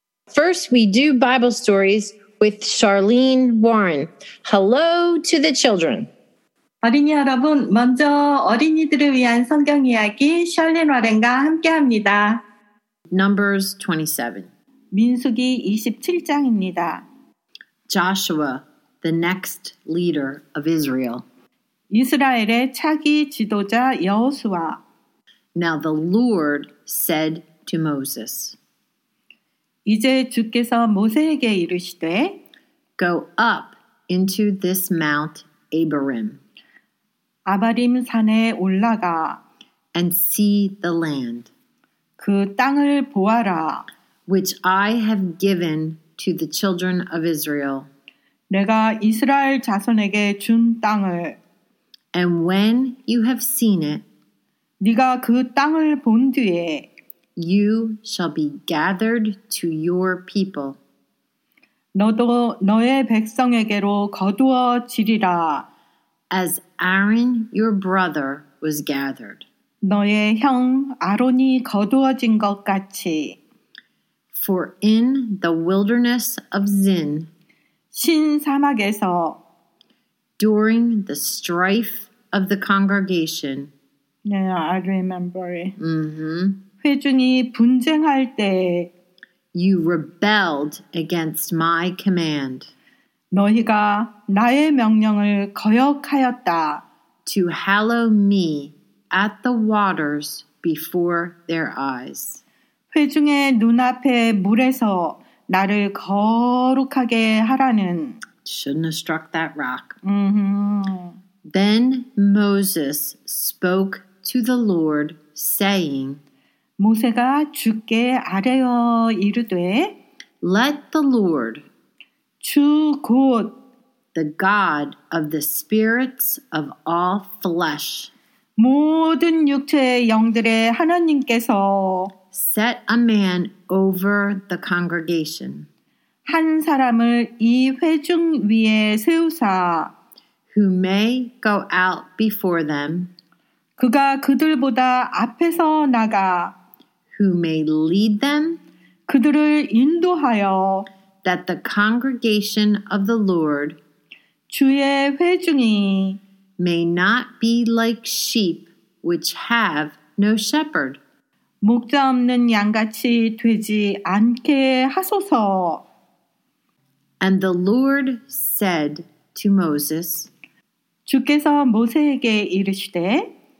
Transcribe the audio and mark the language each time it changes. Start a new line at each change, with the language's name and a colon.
English: 1st, we do Bible stories with Charlene Warren. Hello to the children.
Korean: 어린이 여러분, 먼저 어린이들을 위한 성경 이야기 샬린 워렌과 함께합니다.
English: Numbers 27.
Korean: 민수기 27장입니다.
English: Joshua, the next leader of Israel.
Korean: 이스라엘의 차기 지도자 여호수아.
English: Now the Lord said to Moses.
Korean: 이제 주께서 모세에게 이르시되
English: Go up into this Mount Abarim.
Korean: 아바림 산에 올라가
English: And see the land.
Korean: 그 땅을 보아라
English: Which I have given to the children of Israel.
Korean: 내가 이스라엘 자손에게 준 땅을
English: And when you have seen it
Korean: 네가 그 땅을 본 뒤에
English: You shall be gathered to your people.
Korean: 너도 너의 백성에게로 거두어지리라.
English: As Aaron, your brother, was gathered.
Korean: 너의 형 아론이 거두어진 것 같이.
English: For in the wilderness of Zin,
Korean: 신사막에서,
English: during the strife of the congregation, Yeah, I remember it. Mm-hmm.
Korean: 회중이 분쟁할 때
English: You rebelled against my command.
Korean: 너희가 나의 명령을 거역하였다.
English: To hallow me at the waters before their eyes.
Korean: 회중의 눈앞에 물에서 나를 거룩하게 하라는
English: Shouldn't have struck that rock. Mm-hmm. Then Moses spoke to the Lord, saying,
Korean: 모세가 주께 아뢰어 이르되
English: Let the Lord
Korean: 주 곧
English: The God of the spirits of all flesh
Korean: 모든 육체의 영들의 하나님께서
English: Set a man over the congregation
Korean: 한 사람을 이 회중 위에 세우사
English: Who may go out before them
Korean: 그가 그들보다 앞에서 나가
English: Who may lead them?
Korean: 그들을 인도하여
English: that the congregation of the Lord
Korean: 주의 회중이
English: may not be like sheep which have no shepherd.
Korean: 목자 없는 양같이 되지 않게 하소서.
English: And the Lord said to Moses,
Korean: 주께서 모세에게 이르시되,